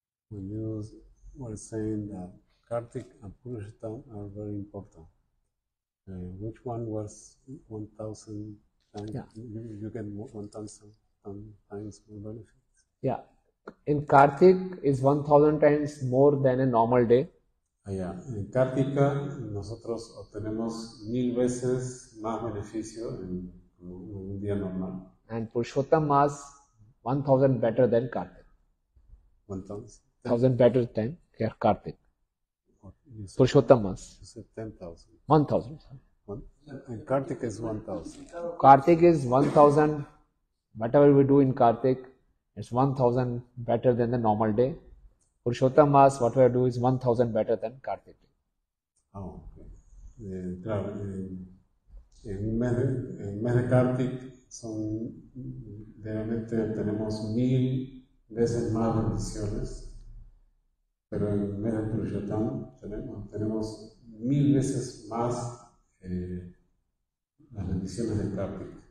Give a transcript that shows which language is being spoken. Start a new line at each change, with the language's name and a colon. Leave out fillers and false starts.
English: When you were saying that Kartik and Purushottam are very important, which one was 1,000 times? Yeah. You get 1,000 times more benefits? Yeah. In Kartik is 1,000 times more than a normal day.
Spanish: Yeah, en Kartika nosotros obtenemos 1000 veces más beneficio en un día normal.
English: And Purushottam Mass 1,000 better than Kartik. 1,000 better than Kartik. Purushottam Mass. 1,000. And Kartik is 1,000. Kartik is 1,000. Whatever we do in Kartik, it's 1,000 better than the normal day. Purushottam Mass, what we do is 1,000 better than Kartik. Oh, okay.
Spanish: Claro, en mes de Kartik, son, realmente tenemos 1,000 veces más bendiciones Pero en el mes de Purushottam tenemos mil veces más las bendiciones del Kartik.